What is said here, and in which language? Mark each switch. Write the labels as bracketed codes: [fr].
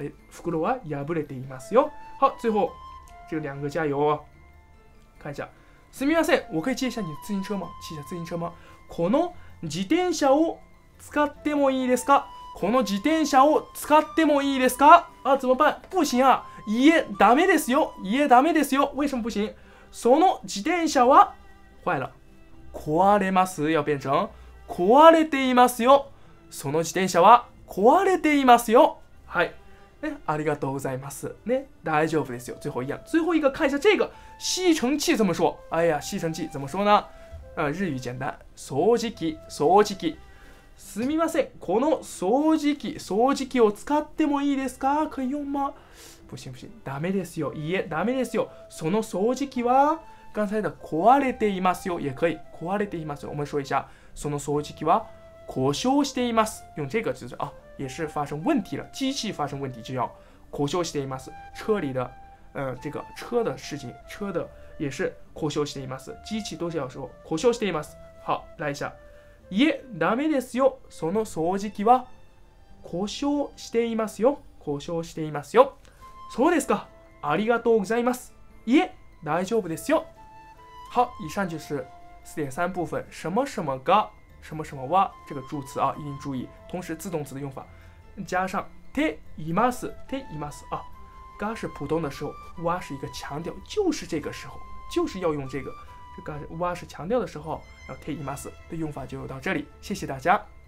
[ja] 袋は破れていますよ。 [zh] 好，最后这两个加油哦。看一下， [ja] すみません， [zh] 我可以借一下你自行车吗？借一下自行车吗？ [ja] この自転車を使ってもいいですか？この自転車を使ってもいいですか？ [zh] 啊，怎么办？不行啊！ [ja] いえ、ダメですよ。いえ、ダメですよ。 [zh] 为什么不行？ [ja] その自転車は [zh] 坏了。 [ja] 壊れます。 [zh] 要变成 [ja] 壊れていますよ。その自転車は壊れていますよ。はい、ね、ありがとうございます、ね、大丈夫ですよ。 [zh] 最后一样，最后一个，看一下这个吸尘器怎么说。哎呀，吸尘器怎么说呢？日语简单，掃除機、掃除機。 [ja] すみません、この掃除機、掃除機を使ってもいいですか？ [zh] 可以用吗？不行不行， [ja] ダメですよ。いえ、ダメですよ。その掃除機は、 [zh] 刚才的 [ja] 壊れていますよ， [zh] 也可以 [ja] 壊れていますよ。 [zh] 我们说一下， [ja] その掃除機は故障しています。 [zh] 用这个就是啊，也是发生问题了，机器发生问题就要 [ja] 故障しています。 [zh] 车里的，这个车的事情，车的也是 [ja] 故障しています。 [zh] 机器都是要说故障しています。好，来一下， [ja] いえ、ダメですよ。その掃除機は故障していますよ。故障していますよ。そうですか。ありがとうございます。いえ、大丈夫ですよ。 [zh] 好，以上就是 4.3 部分，什么什么が。什么什么哇，这个助词啊，一定注意。同时，自动词的用法，加上 [ja] ています、ています [zh] 啊，が是普通的时候，哇是一个强调，就是这个时候，就是要用这个，这个哇是强调的时候，然后ています的用法就到这里，谢谢大家。